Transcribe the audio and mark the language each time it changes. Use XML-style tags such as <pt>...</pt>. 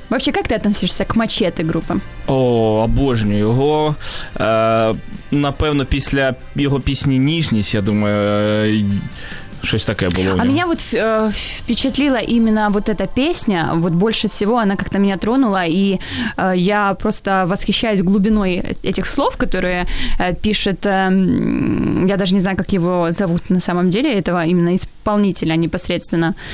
<ru>Вообще, как ты относишься к Мачете группе?</ru> <uk>О, обожнюю его. Напевно, після його пісні «Ніжність», я думаю,</uk> <ru>Что-то такое было. А меня вот впечатлила именно вот эта песня, вот больше всего она как-то меня тронула, и я просто восхищаюсь глубиной этих слов, которые пишет, я даже не знаю, как его зовут на самом деле, этого именно исполнителя непосредственно.</ru>